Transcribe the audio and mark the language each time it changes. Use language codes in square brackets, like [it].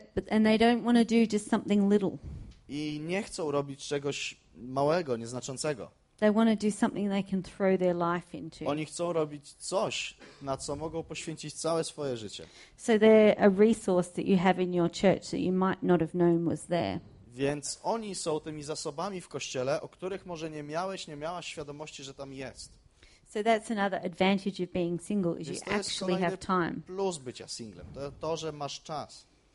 [en] And they don't want to do just something little. [pl] I nie chcą robić czegoś małego, nieznaczącego. [en] They want to do something they can throw their life into. [pl] Oni chcą robić coś, na co mogą poświęcić całe swoje życie. [en] So they're a resource that you have in your church that you might not have known was there. [pl] Więc oni są tymi zasobami w kościele, o których może nie miałeś, nie miałaś świadomości, że tam jest. [en] So that's another advantage of being single, is you actually have time. [pl] Plus bycia singlem, to że masz czas.